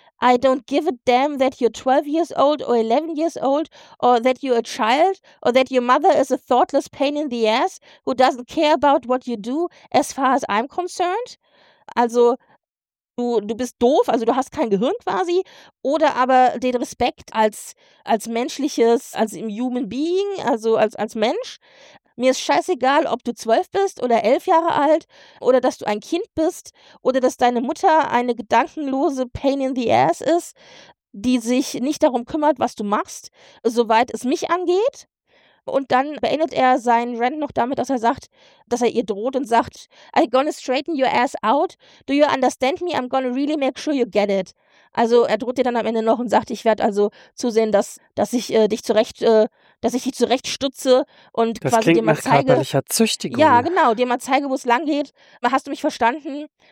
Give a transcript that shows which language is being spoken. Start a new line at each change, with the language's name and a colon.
English: I don't give a damn that you're 12 years old or 11 years old or that you're a child or that your mother is a thoughtless pain in the ass who doesn't care about what you do as far as I'm concerned.
German: Also Du bist doof, also du hast kein Gehirn quasi. Oder aber den Respekt als menschliches, als im Human Being, also als Mensch, Mir ist scheißegal, ob du 12 bist oder 11 Jahre alt oder dass du ein Kind bist oder dass deine Mutter eine gedankenlose
English: Pain in the Ass
German: ist, die sich nicht darum kümmert, was du machst, soweit es mich angeht. Und dann beendet er seinen Rant noch damit, dass er sagt, dass er ihr droht und sagt,
English: I gonna straighten your ass out. Do you understand me? I'm gonna really make sure you get it.
German: Also er droht dir dann am Ende noch und sagt, ich werde also zusehen, dass ich dich zurechtstutze und das quasi dir mal nach zeige. Körperlicher Züchtigung. Ja, genau, dir mal zeige, wo es lang geht. Hast du mich verstanden?